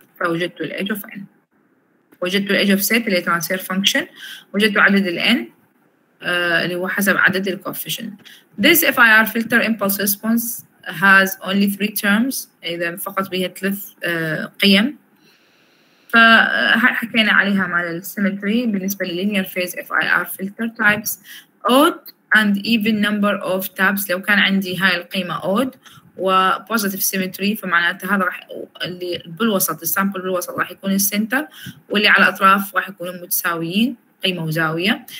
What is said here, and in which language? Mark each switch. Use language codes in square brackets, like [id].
[ar] فوجدت الـ edge of n، وجدت الـ edge of set اللي transfer function، وجدت عدد الـ n اللي هو حسب عدد الـ coefficient. [en] This FIR filter impulse response has only 3 terms، [ar] إذا فقط بها 3 قيم. فحكينا عليها مال السيمتري بالنسبة للـ linear phase FIR filter types. [en] Odd and even number of tabs، [ar] لو كان عندي هاي القيمة odd و positive symmetry فمعناته هذا راح اللي بالوسط السامبل بالوسط راح يكون السنتر، واللي على الأطراف راح يكونوا متساويين قيمة وزاوية.